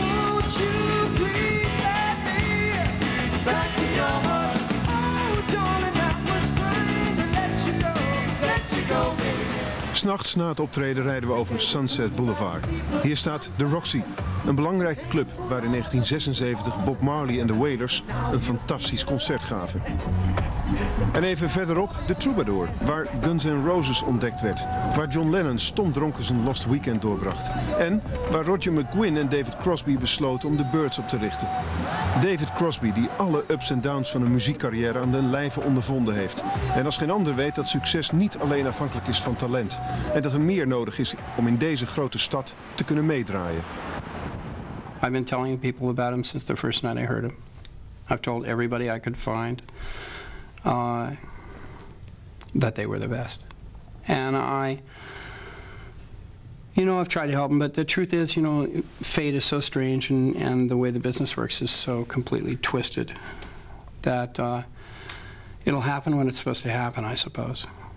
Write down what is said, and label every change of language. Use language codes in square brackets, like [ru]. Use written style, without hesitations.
[en] Won't you please let me back in your heart? Oh, darling, I was blind to let you go. Let you go, baby. [nl] 'S Nachts na het optreden rijden we over Sunset Boulevard. Hier staat de Roxy, een belangrijke club waar in 1976 Bob Marley en de Wailers een fantastisch concert gaven. En even verderop de Troubadour, waar Guns N' Roses ontdekt werd, waar John Lennon stomdronken zijn Lost Weekend doorbracht en waar Roger McGuinn en David Crosby besloten om de Birds op te richten. David Crosby, die alle ups en downs van een muziekcarrière aan den lijve ondervonden heeft en als geen ander weet dat succes niet alleen afhankelijk is van talent en dat er meer nodig is om in deze grote stad te kunnen meedraaien. [en] I've been telling people about him since the first night I heard him. I've told everybody I could find that they were the best. And I, you know, I've tried to help him, but the truth is, you know, fate is so strange and the way the business works is so completely twisted that it'll happen when it's supposed to happen, I suppose.